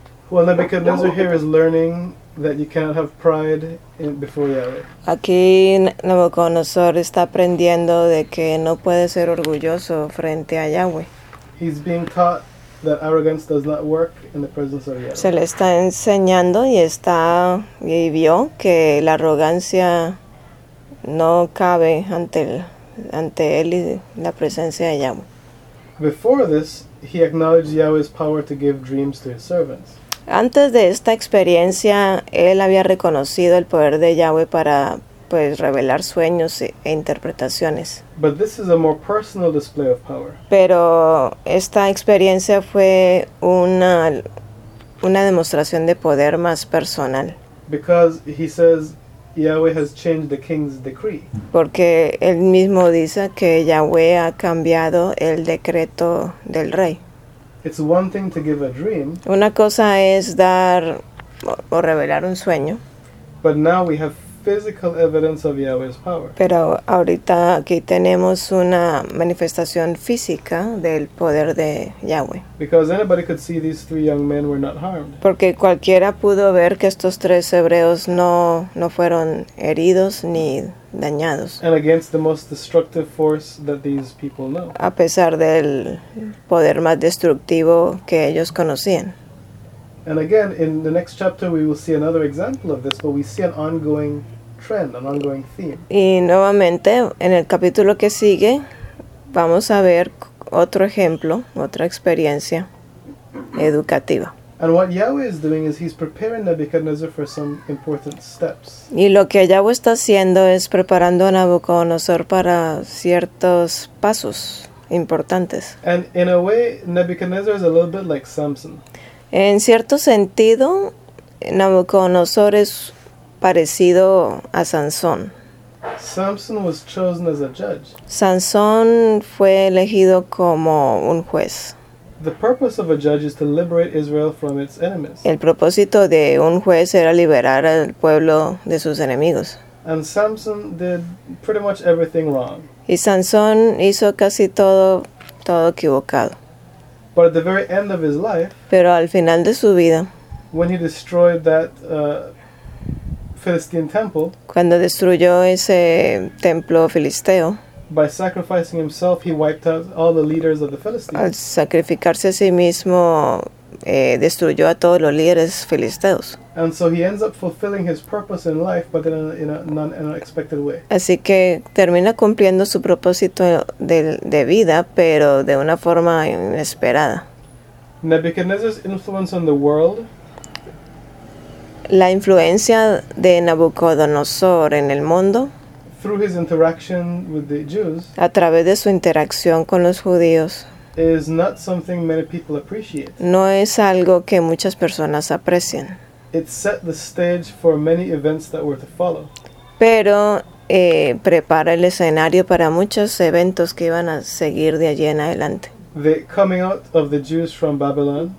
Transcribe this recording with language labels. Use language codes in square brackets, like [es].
[en] Well, Nebuchadnezzar here is learning that you cannot have pride before Yahweh. [es] Aquí Nabucodonosor está aprendiendo de que no puede ser orgulloso frente a Yahweh. [en] He's being taught that arrogance does not work in the presence of Yahweh. [es] Se le está enseñando y vio que la arrogancia no cabe ante él y la presencia de Yahweh. [en] Before this, he acknowledged Yahweh's power to give dreams to his servants. [es] Antes de esta experiencia, él había reconocido el poder de Yahweh para, pues, revelar sueños e interpretaciones. [en] But this is a more personal display of power. [es] Pero esta experiencia fue una demostración de poder más personal. [en] Because he says Yahweh has changed the king's decree. [es] Porque él mismo dice que Yahweh ha cambiado el decreto del rey. [en] It's one thing to give a dream. [es] Una cosa es dar o revelar un sueño. [en] But now we have physical evidence of Yahweh's power. [es] Pero ahorita aquí tenemos una manifestación física del poder de Yahweh. [en] Because anybody could see these three young men were not harmed. [es] Porque cualquiera pudo ver que estos tres hebreos no fueron heridos ni dañados. [en] And against the most destructive force that these people know. [es] A pesar del poder más destructivo que ellos conocían. [en] And again, in the next chapter, we will see another example of this, but we see an ongoing trend, an ongoing theme. [es] Y nuevamente, en el capítulo que sigue, vamos a ver otro ejemplo, otra experiencia educativa. [en] And what Yahweh is doing is he's preparing Nebuchadnezzar for some important steps. [es] Y lo que Yahweh está haciendo es preparando a Nabucodonosor para ciertos pasos importantes. [en] And in a way, Nebuchadnezzar is a little bit like Samson. [es] En cierto sentido, Nabucodonosor es parecido a Sansón. [en] Samson was chosen as a judge. [es] Sansón fue elegido como un juez. [en] The purpose of a judge is to liberate Israel from its enemies. [es] El propósito de un juez era liberar al pueblo de sus enemigos. [en] And Samson did pretty much everything wrong. [es] Y Sansón hizo casi todo equivocado. [en] But at the very end of his life, [es] pero al final de su vida, [en] when he destroyed that Philistine temple, [es] cuando destruyó ese templo filisteo, [en] by sacrificing himself, he wiped out all the leaders of the Philistines. [es] Al sacrificarse a sí mismo, destruyó a todos los líderes filisteos. [en] And so he ends up fulfilling his purpose in life, but in an unexpected way. [es] Así que termina cumpliendo su propósito de vida, pero de una forma inesperada. [en] Nebuchadnezzar's influence on the world. [es] La influencia de Nabucodonosor en el mundo. [en] Through his interaction with the Jews, [es] a través de su interacción con los judíos, [en] is not something many people appreciate. [es] No es algo que muchas personas aprecien. [en] It set the stage for many events that were to follow. [es] Pero prepara el escenario para muchos eventos que iban a seguir de allí en adelante. [en] The coming out of the Jews from Babylon,